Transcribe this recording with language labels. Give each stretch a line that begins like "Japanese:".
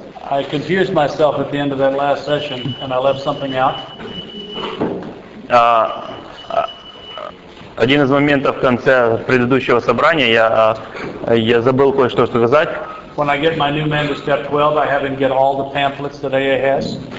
English: I confused myself at the end of that last session, and I left something out.
Russian: Один из моментов в конце предыдущего собрания я забыл кое-что сказать.
English: When I get my new man to step 12, I have him get all the pamphlets that AA has.